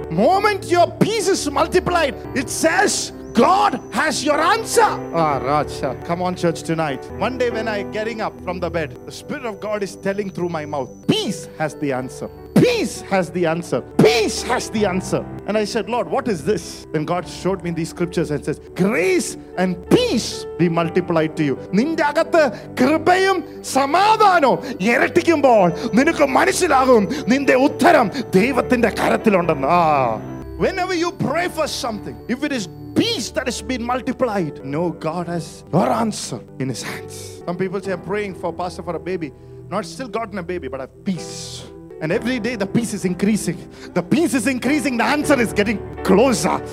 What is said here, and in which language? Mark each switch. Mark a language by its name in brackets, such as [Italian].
[English] Moment your peace is multiplied it says God has your answer. Ah, Raja. Come on, church, tonight. One day when I'm getting up from the bed, the Spirit of God is telling through my mouth, peace has the answer. Peace has the answer. Peace has the answer. And I said, Lord, what is this? Then God showed me these scriptures and says, grace and peace be multiplied to you. [Malayalam] നിന്റെ അകത്ത് കൃപയും സമാധാനവും ഇരട്ടിക്കുമ്പോൾ നിനക്ക് മനസ്സിലാകും നിന്റെ ഉത്തരം ദൈവത്തിന്റെ കരത്തിലുണ്ടെന്ന്. [English] Whenever you pray for something, if it is peace that has been multiplied, no, God has your answer in his hands. Some people say, I'm praying for pastor for a baby, not still gotten a baby, but a peace, and every day the peace is increasing, the peace is increasing, the answer is getting closer.